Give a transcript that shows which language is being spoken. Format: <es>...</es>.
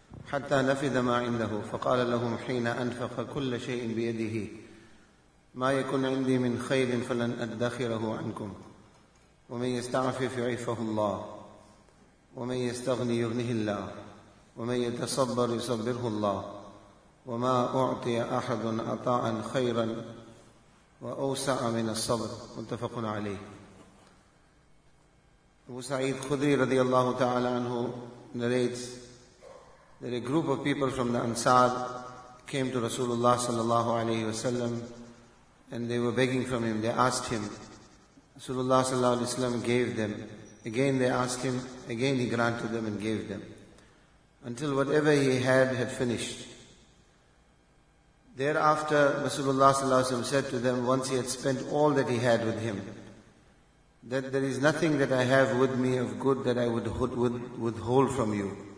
<ar>حتى نفذ ما عنده، فقال لهم حين انفق كل شيء بيده: ما يكون عندي من خير فلن ادخره عنكم، ومن يستعفف يعفه الله، ومن يستغني يغنه الله، ومن يتصبر يصبره الله، وما أعطي أحد عطاء خيرا وأوسع من الصبر. متفق عليه.</ar> <en>أبو سعيد خدري</en> <ar>رضي الله تعالى عنه</ar> <en>narrates that a group of people from the Ansar came to Rasulullah</en> <ar>صلى الله عليه وسلم</ar> <en>and they were begging from him. They asked him. Rasulullah</en> <ar>صلى الله عليه وسلم</ar> <en>gave them. Again they asked him, again he granted them and gave them, until whatever he had finished. Thereafter, Rasulullah ﷺ said to them, once he had spent all that he had with him, that there is nothing that I have with me of good that I would withhold from you.</en>